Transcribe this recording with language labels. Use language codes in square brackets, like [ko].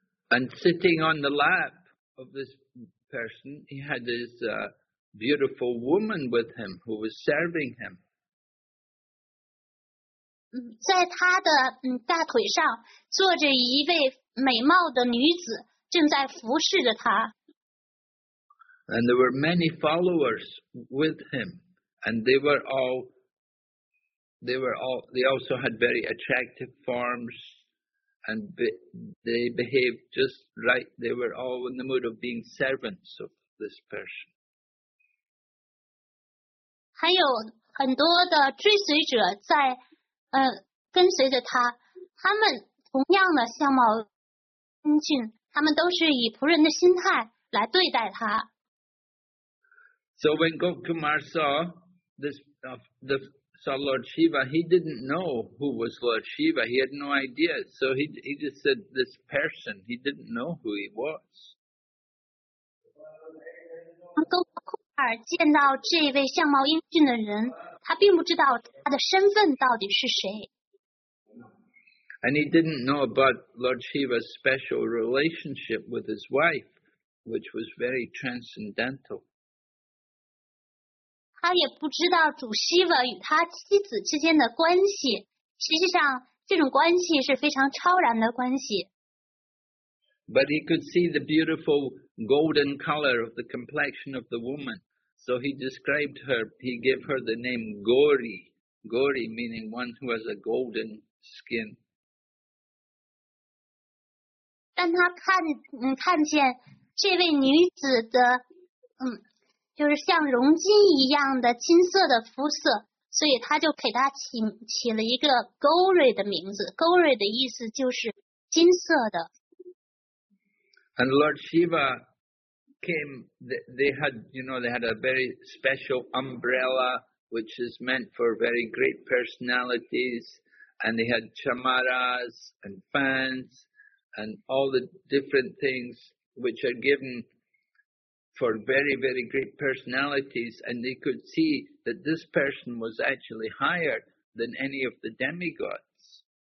[en] And sitting on the lap of this person, he had this beautiful woman with him who was serving him. [zh] 在他的大腿上坐着一位美貌的女子，正在服侍着他。 [en] And there were many followers with him, and they also had very attractive forms. And they behaved just right. They were all in the mood of being servants of this person. [zh] 还有很多的追随者在跟随着他，他们同样的相貌英俊，他们都是以仆人的心态来对待他。 [en] So when Gokumar saw this, the saw Lord Shiva, he didn't know who was Lord Shiva. He had no idea. So he just said, this person. He didn't know who he was. [zh] 当高达库尔见到这位相貌英俊的人，他并不知道他的身份到底是谁。 [en] And he didn't know about Lord Shiva's special relationship with his wife, which was very transcendental. [zh] 他也不知道主希瓦与他妻子之间的关系，实际上这种关系是非常超然的关系。 [en] But he could see the beautiful golden color of the complexion of the woman. So he described her, he gave her the name Gauri. Gauri meaning one who has a golden skin. [zh] 但他 看见这位女子的、就是像熔金一样的金色的肤色，所以他就给她 起了一个 Gauri 的名字。 Gauri 的意思就是金色的。 [en] And Lord Shiva came, they had, you know, they had a very special umbrella, which is meant for very great personalities, and they had chamaras and fans and all the different things which are given for very, very great personalities, and they could see that this person was actually higher than any of the demigods.